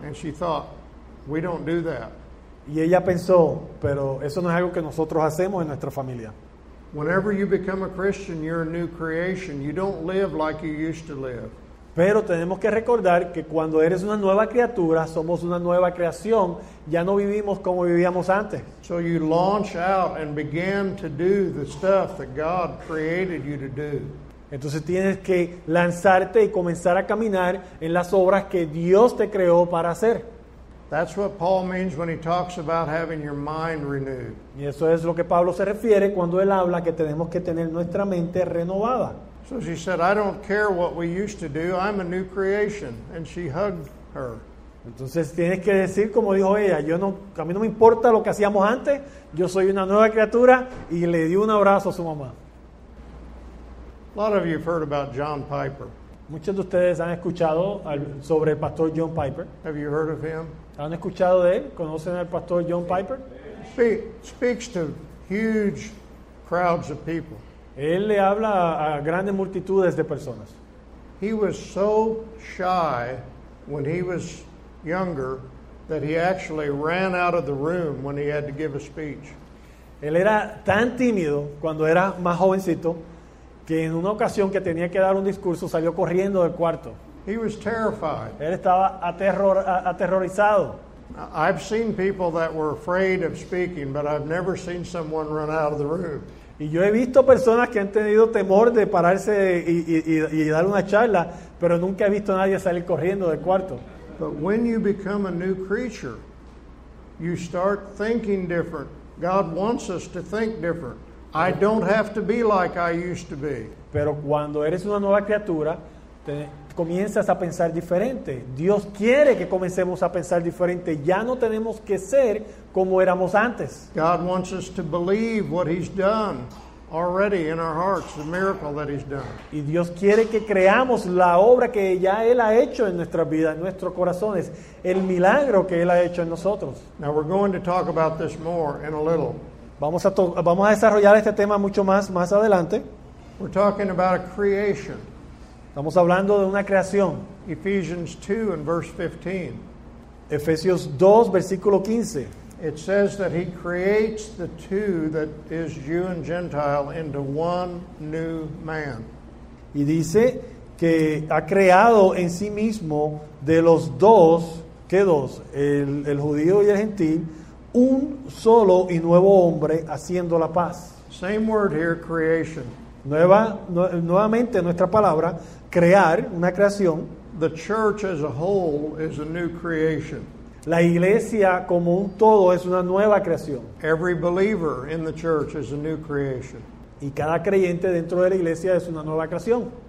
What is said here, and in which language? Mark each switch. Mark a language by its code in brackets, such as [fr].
[en] And she thought, we don't do that. [es] Y ella pensó, pero eso no es algo que nosotros hacemos en nuestra familia. [en] Whenever you become a Christian, you're a new creation. You don't live like you used to live. [es] Pero tenemos que recordar que cuando eres una nueva criatura, somos una nueva creación, ya no vivimos como vivíamos antes. [en] So you launch out and begin to do the stuff that God created you to do. [es] Entonces tienes que lanzarte y comenzar a caminar en las obras que Dios te creó para hacer. [en] That's what Paul means when he talks about having your mind renewed. [es] Y eso es lo que Pablo se refiere cuando él habla que tenemos que tener nuestra mente renovada. [en] So she said, I don't care what we used to do. I'm a new creation. And she hugged her. [es] Entonces tienes que decir como dijo ella, a mí no me importa lo que hacíamos antes. Yo soy una nueva criatura. Y le dio un abrazo a su mamá. [en] A lot of you have heard about John Piper. [es] Muchos de ustedes han escuchado sobre el pastor John Piper. [en] Have you heard of him? [es] ¿Han escuchado de él? ¿Conocen al pastor John Piper? [en] Speaks to huge crowds of people. [es] Él le habla a grandes multitudes de personas. [en] He was so shy when he was younger that he actually ran out of the room when he had to give a speech. [es] Él era tan tímido cuando era más jovencito que en una ocasión que tenía que dar un discurso salió corriendo del cuarto. [en] He was terrified. [es] Él estaba aterrorizado. [en] I've seen people that were afraid of speaking, but I've never seen someone run out of the room. [es] Y yo he visto personas que han tenido temor de pararse y dar una charla, pero nunca he visto a nadie salir corriendo del cuarto. [en] But when you become a new creature, you start thinking different. God wants us to think different. I don't have to be like I used to be. [es] Pero cuando eres una nueva criatura, comienzas a pensar diferente. Dios quiere que comencemos a pensar diferente. Ya no tenemos que ser como éramos antes. [en] God wants us to believe what he's done already in our hearts, the miracle that he's done. [es] Y Dios quiere que creamos la obra que ya él ha hecho en nuestras vidas, en nuestros corazones, el milagro que él ha hecho en nosotros. [en] Now we're going to talk about this more in a little. [es] Vamos a desarrollar este tema mucho más adelante. [en] We're talking about a creation. [es] Estamos hablando de una creación. [en] Ephesians 2 and verse 15. [es] Efesios 2, versículo 15. [en] It says that he creates the two, that is Jew and Gentile, into one new man. [es] Y dice que ha creado en sí mismo de los dos, ¿qué dos? El judío y el gentil, un solo y nuevo hombre haciendo la paz. [en] Same word here, creation. [es] Nuevamente nuestra palabra, crear, una creación. [en] The church as a whole is a new creation. [es] La iglesia como un todo es una nueva creación. [en] Every believer in the church is a new creation. [es] Y cada creyente dentro de la iglesia es una nueva creación.